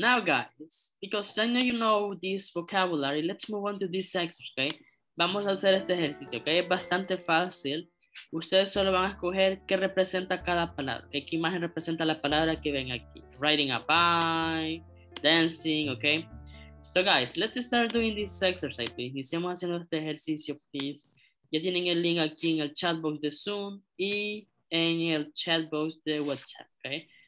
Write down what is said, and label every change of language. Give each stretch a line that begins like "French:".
English: Now guys, because I know you know this vocabulary, let's move on to this exercise, okay?
Spanish: Vamos a hacer este ejercicio, okay? Es bastante fácil. Ustedes solo van a escoger qué representa cada palabra, qué imagen representa la palabra que ven aquí.
English: Riding a bike, dancing, ok. So guys, let's start doing this exercise, please.
Spanish: Iniciamos haciendo este ejercicio, please. Ya tienen el link aquí en el chat box de Zoom y en el chat box de WhatsApp, ok.